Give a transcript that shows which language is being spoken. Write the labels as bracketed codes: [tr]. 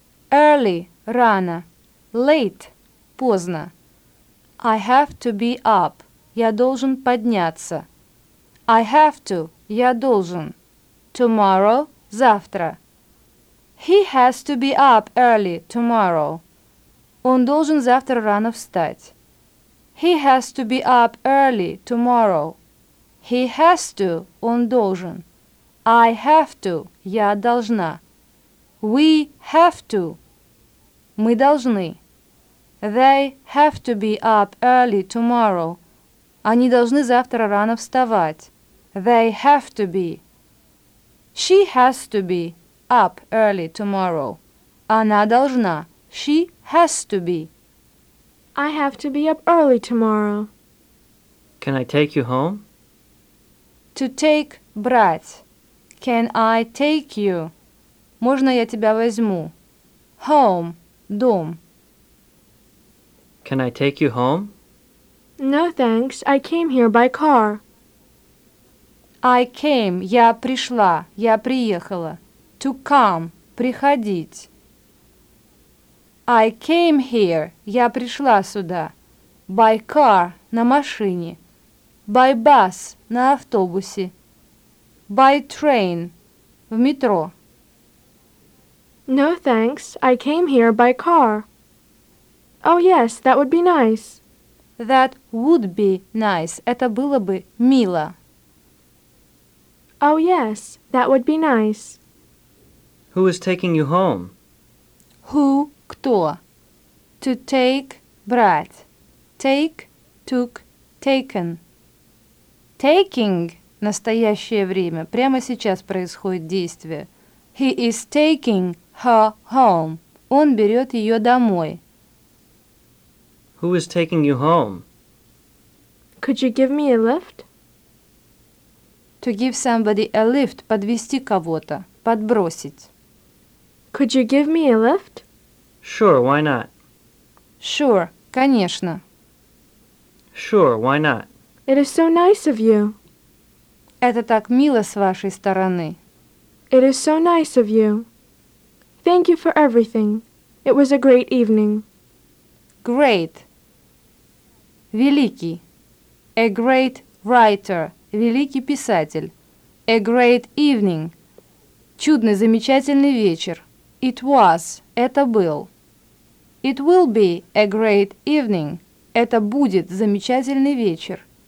[en] Early, рано. Late, поздно. I have to be up. [ru] Я должен подняться. [en] I have to. [ru] Я должен. [en] Tomorrow, завтра. He has to be up early tomorrow. [ru] Он должен завтра рано встать. [en] He has to be up early tomorrow. He has to, [ru] он должен. [en] I have to, [ru] я должна. [en] We have to, [ru] мы должны. [en] They have to be up early tomorrow. [ru] Они должны завтра рано вставать. [en] They have to be. She has to be up early tomorrow. [ru] Она должна. [en] She has to be. I have to be up early tomorrow. Can I take you home? To take, брать. Can I take you? [ru] Можно я тебя возьму? [en] Home, дом. Can I take you home? No, thanks. I came here by car. I came, [ru] я пришла, я приехала. [en] To come, приходить. I came here, [ru] я пришла сюда, [en] by car, на машине, by bus, на автобусе, by train, в метро. No, thanks, I came here by car. Oh, yes, that would be nice. That would be nice, [ru] это было бы мило. [en] Oh, yes, that would be nice. Who is taking you home? Who? Кто? To take, брать. Take, took, taken. [ru] Taking – настоящее время. Прямо сейчас происходит действие. [en] He is taking her home. [ru] Он берет ее домой. [en] Who is taking you home? Could you give me a lift? To give somebody a lift – [ru] подвести кого-то, подбросить. [en] Could you give me a lift? Sure, why not? Sure, конечно. Sure, why not? It is so nice of you. [ru] Это так мило с вашей стороны. [en] It is so nice of you. Thank you for everything. It was a great evening. Great. Великий. A great writer. [ru] Великий писатель. [en] A great evening. [ru] Чудный, замечательный вечер. [en] It was. [ru] Это был. [en] It will be a great evening. [ru] Это будет замечательный вечер.